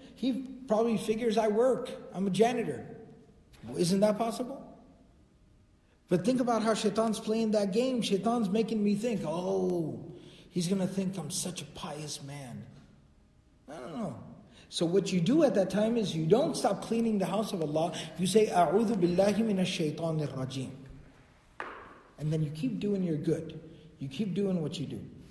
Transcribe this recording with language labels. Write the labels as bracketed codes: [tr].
[en] He probably figures I work, I'm a janitor. Isn't that possible? But think about how shaitan's playing that game. Shaitan's making me think, oh, he's going to think I'm such a pious man. I don't know. So what you do at that time is you don't stop cleaning the house of Allah. You say, [ar] أَعُوذُ بِاللَّهِ مِنَ الشَّيْطَانِ الرَّجِيمِ. [en] And then you keep doing your good. You keep doing what you do.